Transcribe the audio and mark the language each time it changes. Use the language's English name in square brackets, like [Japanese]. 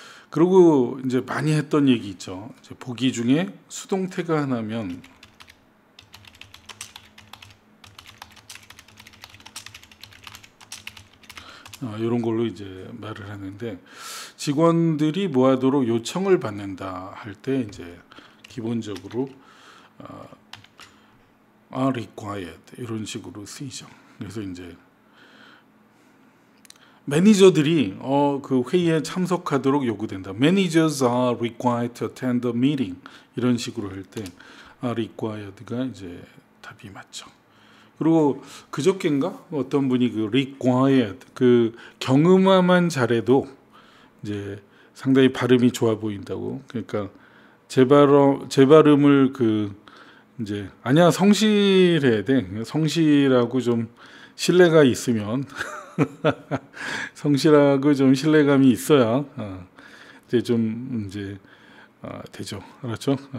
[Korean] 그리고 이제 많이 했던 얘기 있죠. 이제 보기 중에 수동태가 하나면 이런 걸로 이제 말을 하는데 직원들이 뭐하도록 요청을 받는다 할 때 이제 기본적으로 are required 이런 식으로 쓰이죠. 그래서 이제 매니저들이 그 회의에 참석하도록 요구된다. [English] Managers are required to attend the meeting [Korean] 이런 식으로 할 때 are required가 이제 답이 맞죠. 그리고 그저께인가 어떤 분이 그리 과이엇 그 경음화만 잘해도 이제 상당히 발음이 좋아 보인다고. 그러니까 제 발음을 그 이제 아니야 성실해야 돼. 성실하고 좀 신뢰가 있으면 성실하고 좀 신뢰감이 있어야 이제 좀 이제 되죠. 그렇죠?